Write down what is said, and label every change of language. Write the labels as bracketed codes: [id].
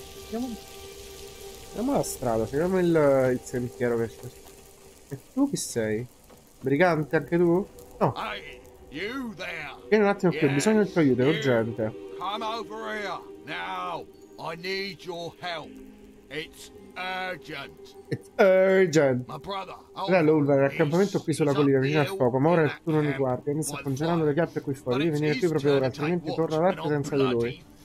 [it] Andiamo la strada, seguiamo il sentiero che c'è. E tu chi sei? Brigante anche tu? No. Vieni un attimo qui, ho bisogno del tuo aiuto, è urgente. [en] Come over here. Now I need your help. It's urgent. It's urgent. My brother. [it] Fratello Ulver, l'accampamento qui sulla collina vicino al fuoco, ma ora il turno di guardia. Mi sta congelando le chiappe qui fuori. Devi venire qui proprio ora, altrimenti torno ad arte senza di lui.